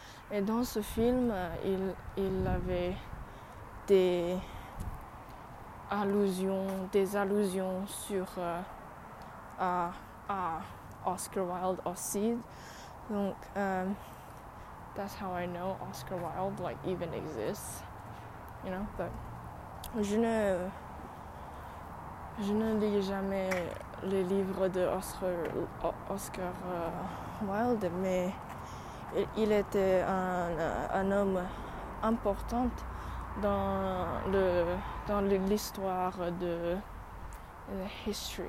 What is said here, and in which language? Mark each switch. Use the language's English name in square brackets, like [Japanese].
[French] Et dans ce film, il avait des allusions sur à Oscar Wilde aussi. [English] Donc, that's how I know Oscar Wilde like even exists, you know. But [French] Je ne lis jamais les livres de Oscar Wilde, mais il était un homme important dans l'histoire de [English] history.